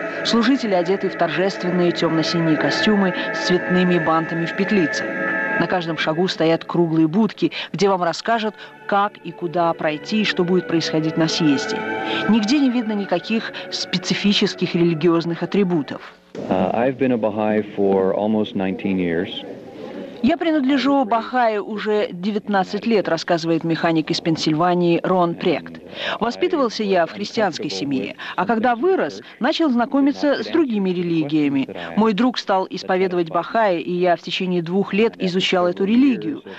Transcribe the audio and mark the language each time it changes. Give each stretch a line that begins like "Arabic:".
Russian: Служители одеты в торжественные темно-синие костюмы с цветными бантами в петлице. На каждом шагу стоят круглые будки, где вам расскажут, как и куда пройти, и что будет происходить на съезде. Нигде не видно никаких специфических религиозных атрибутов.
English: I've been a Baha'i for almost 19 years.
Russian: Я принадлежу Бахаи уже 19 лет, рассказывает механик из Пенсильвании Рон Прект. Воспитывался я в христианской семье, а когда вырос, начал знакомиться с другими религиями. Мой друг стал исповедовать Бахаи, и я в течение 2 лет изучал эту религию.